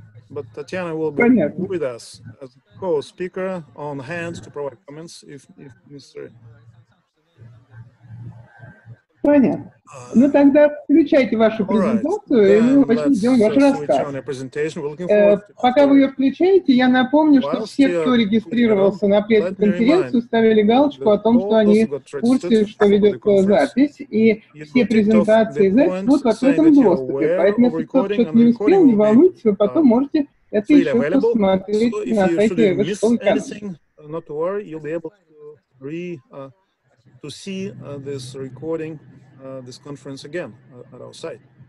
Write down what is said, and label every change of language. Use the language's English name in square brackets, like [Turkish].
[English] But Tatiana will be with us as co-speaker on hand to provide comments if necessary. [Russian] Понятно. Ну, тогда включайте вашу презентацию, и мы начнем делать ваш рассказ. Пока вы ее включаете, я напомню, что все, кто регистрировался на пресс-конференцию, ставили галочку о том, что они в курсе, что ведет запись, и все презентации записи будут в открытом доступе. Поэтому, если кто-то что-то не успел, не волнуйтесь, вы потом можете это еще посмотреть на сайте Высшей. [English] To see this recording, this conference again at our site.